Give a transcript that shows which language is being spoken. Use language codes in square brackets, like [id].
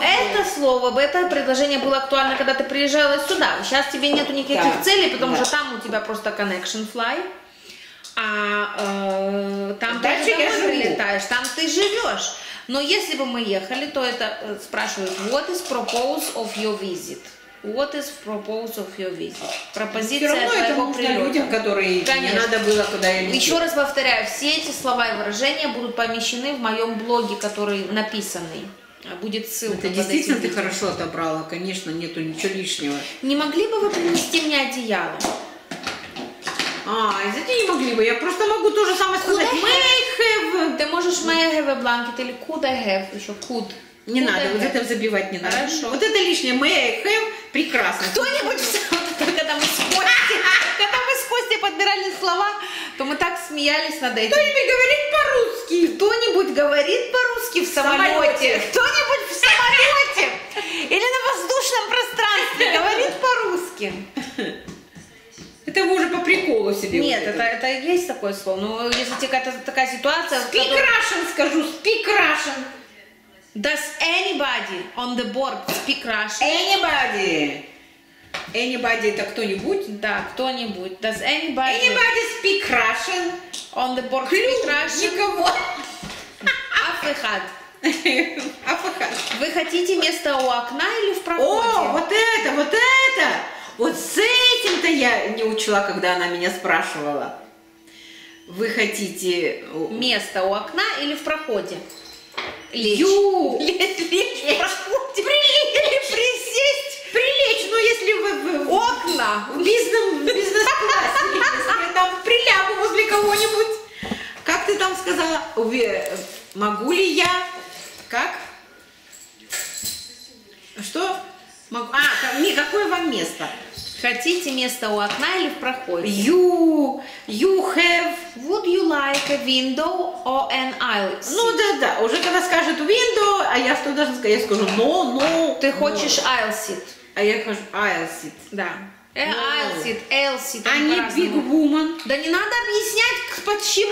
[ru] Это слово, это предложение было актуально, когда ты приезжала сюда. Сейчас тебе нету никаких целей, потому что там у тебя просто [en] connection fly. [ru] А там ты же домой прилетаешь, там ты живешь. Но если бы мы ехали, то это спрашивают, [en] what is purpose of your visit? What is purpose of your visit? [ru] Пропозиция твоего прилета. Все равно это нужно людям, которые мне надо было куда я лечу. Еще раз повторяю, все эти слова и выражения будут помещены в моем блоге, который написанный. Будет ссылка. Это действительно ты хорошо отобрала, конечно, нету ничего лишнего. Не могли бы вы принести мне одеяло? А, извините, не могли бы. Я просто могу то же самое сказать. May I have. Ты можешь [en] may I have a blanket или could I have. [ru] Еще could. Не надо, вот это забивать не надо. Хорошо. Вот это лишнее. [en] May I have. [ru] Прекрасно. Кто-нибудь взял, когда мы с Костей подбирали слова, то мы так смеялись над этим. Кто-нибудь говорит по-русски. Кто-нибудь говорит по-русски в самолете. Кто-нибудь в самолете. Или на воздушном пространстве говорит по-русски. Это вы уже по приколу себе. Нет, вот это есть такое слово. Ну, если тебе какая-то такая ситуация... [en] Speak Russian. Does anybody on the board speak Russian? Anybody. [ru] Anybody это кто-нибудь? Да, кто-нибудь. [en] Does anybody... Anybody speak Russian? On the board speak Russian? [ru] Никого. Afrikad. Afrikad. Вы хотите место у окна или в проходе? О, вот это! Вот с этим-то я не учла, когда она меня спрашивала. Вы хотите... Место у окна или в проходе? Лечь. Лечь в проходе. Прилечь. Или присесть. Прилечь. Ну, если вы... Окна. В бизнес-классе. Если я там прилягу возле кого-нибудь. Как ты там сказала? Могу ли я? Как? Что? Какое вам место? Хотите место у окна или в проходе? [en] You have... Would you like a window or an aisle seat? [ru] Ну да, уже когда скажут window, а я что должна сказать? Я скажу no. Ты хочешь [en] aisle seat. [ru] А я хочу [en] aisle seat. [ru] Да. Элсид, Элсид. А не Big Woman. Да не надо объяснять, почему.